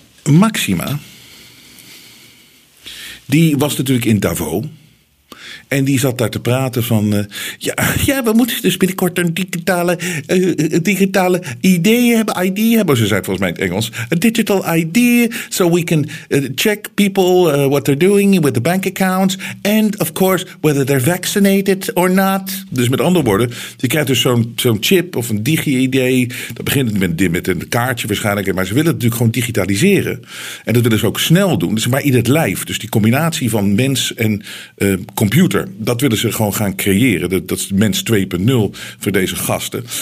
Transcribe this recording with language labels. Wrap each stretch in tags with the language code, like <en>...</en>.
<nl>Maxima, die was natuurlijk in Davos. En die zat daar te praten van... we moeten dus binnenkort een digitale ideeën hebben. ID hebben, ze zei volgens mij in het Engels.</nl> <en>A digital ID, so we can check people what they're doing with the bank accounts. And of course, whether they're vaccinated or not.</en> <nl>Dus met andere woorden, je krijgt dus zo'n chip of een digi-ID. Dat begint met een kaartje waarschijnlijk. Maar ze willen het natuurlijk gewoon digitaliseren. En dat willen ze ook snel doen. Dus maar in het lijf. Dus die combinatie van mens en computer. Dat willen ze gewoon gaan creëren. Dat is mens 2.0 voor deze gasten.</nl>